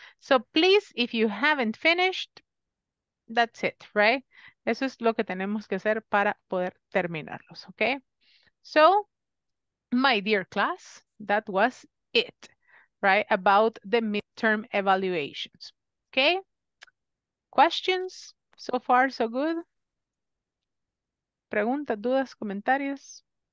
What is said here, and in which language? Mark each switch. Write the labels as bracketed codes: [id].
[en] So please, if you haven't finished, that's it, right? [es] Eso es lo que tenemos que hacer para poder terminarlos, okay? [en] So, my dear class, that was it, right? About the midterm evaluations, okay? Questions? So far, so good. [es] Preguntas, dudas, comentarios?